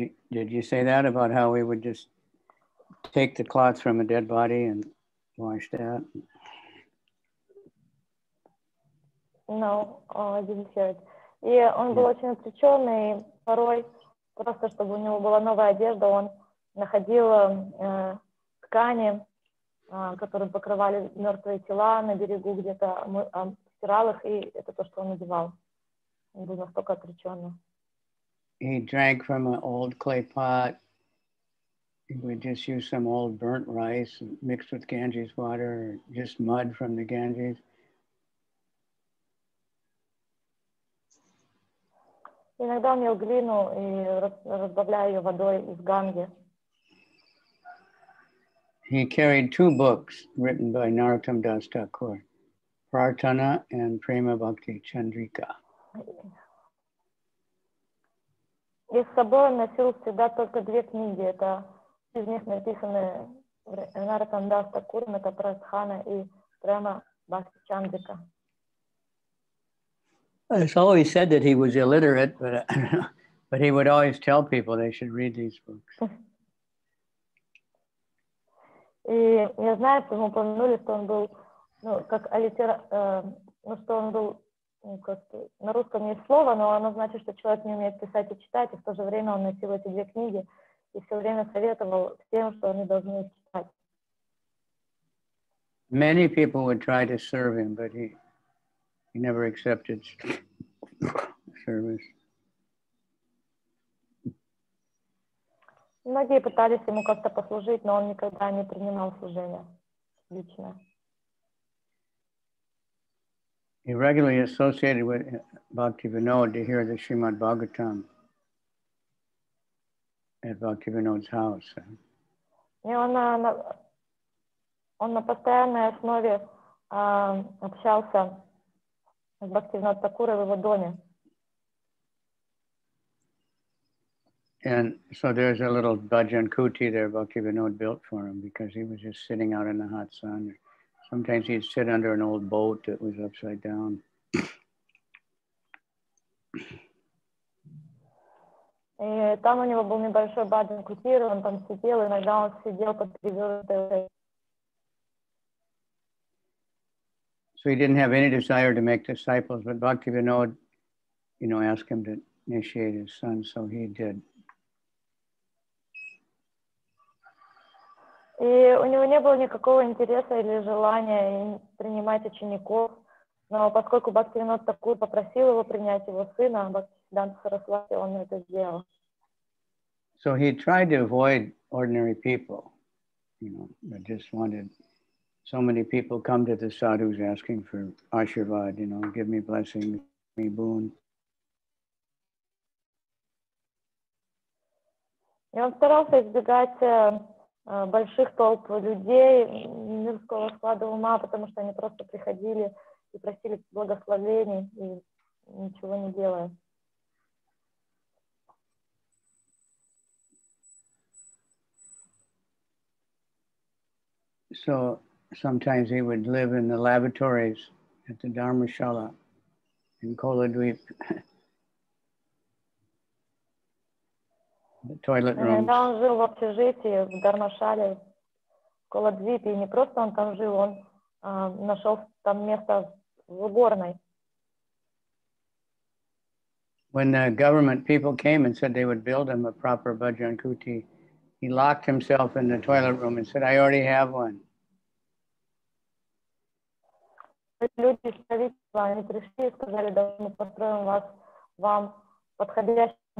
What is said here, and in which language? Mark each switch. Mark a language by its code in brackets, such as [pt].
[en] Did you say that about how we would just take the cloth from a dead body and wash that? No, I didn't hear it. [ru] И он был очень отреченный, порой просто чтобы у него была новая одежда, он находил ткани, которым покрывали мертвые тела на берегу где-то стирал их, и это то, что он надевал. Он был настолько отреченный. [en] He drank from an old clay pot. He would just use some old burnt rice mixed with Ganges water, just mud from the Ganges. [ru] Иногда он ел глину и разбавляя ее водой из Ганги. [en] He carried two books written by Narottam Das Thakur, Prarthana and Prema Bhakti Chandrika. [ru] И с собой он носил всегда только две книги. Это из них написаны Narottam Das Thakur, это Прартхана и Према Бхакти Чандрика. [en] It's always said that he was illiterate, but but he would always tell people they should read these books. [ru] И я знаю, что ему упомянули, что он был, ну, как ну, что он был, ну, как на русском есть слово, но оно значит, что человек не умеет писать и читать, и в то же время он носил эти две книги и все время советовал всем, что они должны читать. [en] Many people would try to serve him, but he never accepted service. [ru] Многие пытались ему как-то послужить, но он никогда не принимал служение лично. [en] He regularly associated with Bhaktivinod to hear the Srimad Bhagavatam at Bhaktivinod's house. [ru] И он на постоянной основе общался с Бхактивинод Такурой в его доме. [en] And so there's a little bhajan kuti there Bhaktivinod built for him because he was just sitting out in the hot sun. Sometimes he'd sit under an old boat that was upside down. [ru] И там у него был небольшой бхаджан кути, он там сидел, иногда он сидел под перевёрнутой. [en] So he didn't have any desire to make disciples, but Bhaktivinod, you know, asked him to initiate his son, so he did. [ru] И у него не было никакого интереса или желания принимать учеников, но поскольку Бхактивинод Такур попросил его принять его сына, Бхактисиддханта Сарасвати, он это сделал. [en] So he tried to avoid ordinary people, you know, but just wanted so many people come to the sadhus asking for ashirvad, you know, give me blessing, give me boon. [ru] И он старался избегать больших толп людей, мирского склада ума, потому что они просто приходили и просили благословений и ничего не делая. [en] So sometimes he would live in the lavatories at the Dharmashala in Koladweep. [ru] Да, он жил в общежитии в Дармашале, в Коладвипе. И не просто он там жил, он нашел там место в уборной. [en] When the government people came and said they would build him a proper bhajan kuti, he locked himself in the toilet room and said, "I already have one." [ru] Люди из правительства, они пришли и сказали, да, мы построим вас, вам подходящий.